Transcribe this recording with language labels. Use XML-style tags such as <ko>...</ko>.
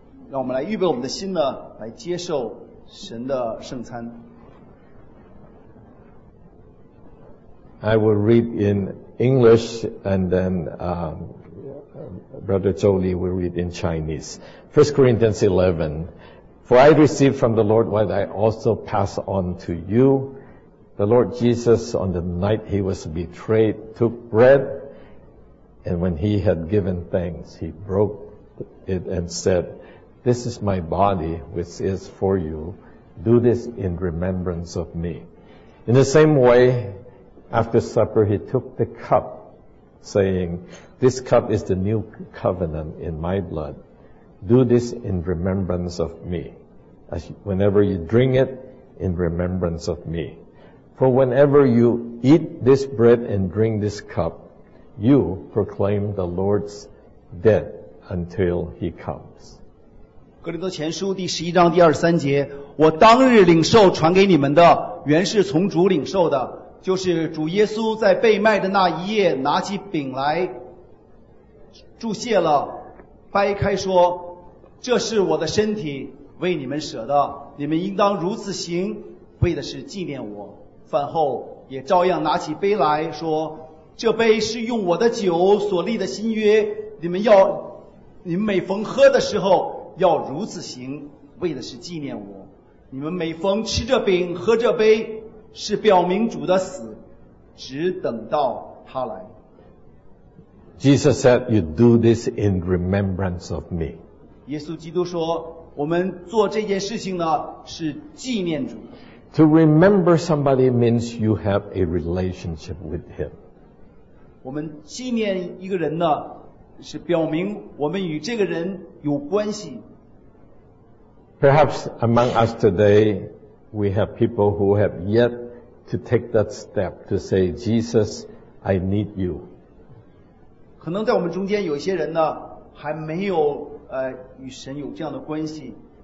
<zh>让我们来预备我们的心呢来接受神的圣餐。</zh> <en>I will read in English and then Brother Jolie will read in Chinese. 1 Corinthians 11. For I received from the Lord what I also pass on to you. The Lord Jesus, on the night he was betrayed, took bread, and when he had given thanks, he broke it and said, This is my body, which is for you. Do this in remembrance of me. In the same way, after supper, he took the cup, saying, This cup is the new covenant in my blood. Do this in remembrance of me. Whenever you drink it, in remembrance of me. For whenever you eat this bread and drink this cup, you proclaim the Lord's death until he comes.</en> <zh>哥林多前书第十一章第二十三节，我当日领受传给你们的，原是从主领受的，就是主耶稣在被卖的那一夜，拿起饼来，祝谢了，掰开说，这是我的身体，为你们舍的，你们应当如此行，为的是纪念我。饭后也照样拿起杯来说，这杯是用我的酒所立的新约，你们每逢喝的时候要如此行，为的是纪念我。你们每逢吃这饼喝这杯，是表明主的死，只等到他来。</zh> <en>Jesus said, you do this in remembrance of me.</en> <zh>耶稣基督说，我们做这件事情呢，是纪念主。</zh> <en>To remember somebody means you have a relationship with him.</en> <zh>我们纪念一个人呢，是表明我们与这个人有关系。</zh> <en>Perhaps among us today, we have people who have yet to take that step to say, Jesus, I need you.</en> <zh>可能在我们中间有些人呢，还没有与神有这样的关系。</zh>